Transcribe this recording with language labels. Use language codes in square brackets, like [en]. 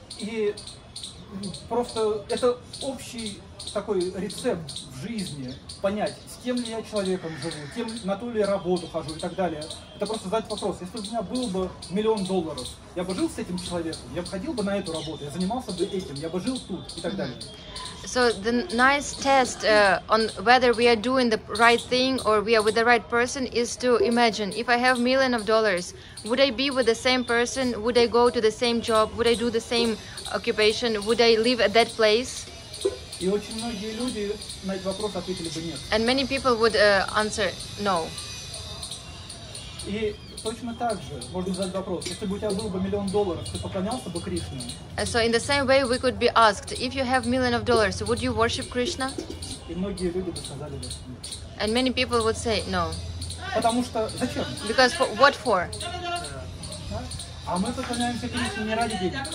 [ru] И просто это общий такой рецепт в жизни понять, с кем ли я человеком живу, кем на ту ли работу хожу и так далее. Это просто задать вопрос. Если у меня был бы $1,000,000, я бы жил с этим человеком, я бы ходил бы на эту работу, я занимался бы этим, я бы жил тут и так далее. [en] So the nice test on whether we are doing the right thing or we are with the right person is to imagine, if I have $1,000,000, would I be with the same person? Would I go to the same job? Would I do the same occupation? Would I live at that place? [ru] И очень многие люди на этот вопрос ответили бы нет. [en] And many people would answer no. [ru] И точно так же можно задать вопрос, если бы у тебя был бы $1,000,000, ты поклонялся бы Кришне? [en] And so in the same way we could be asked, if you have $1,000,000, would you worship Krishna? [ru] И многие люди бы сказали бы нет. [en] And many people would say no. [ru] Потому что зачем? [en] Because for, what for? [ru] А мы поклоняемся Кришне не ради денег.